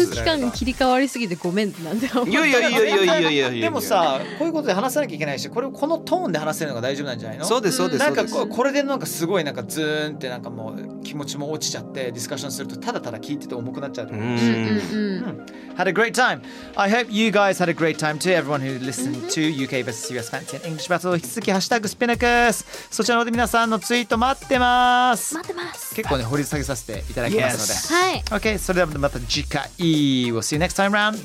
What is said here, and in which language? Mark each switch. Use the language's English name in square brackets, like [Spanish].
[Japanese] いきなり空気感切り替わりすぎてごめんなんて思ったの。いやいやいやいやいや。でもさ、こういうことで話さなきゃいけないし、これをこのトーンで話せるのが大丈夫なんじゃないの？そうですそうです。なんかこれでなんかすごいなんかズーンってなんかもう気持ちも落ちちゃってディスカッションするとただただ聞いてて重くなっちゃうと思う [English] し。Had a great time! I hope you guys had a great time too, everyone who listened to UK vs. US Fancy and English Battle. [Japanese] 引き続きハッシュタグスピナクス。そちらの皆さんのツイート待ってます。待ってます。結構ね掘り下げさせていただきますので、はい、 [English] OK、 [Japanese] それではまた次回 [English] We'll see you next time round.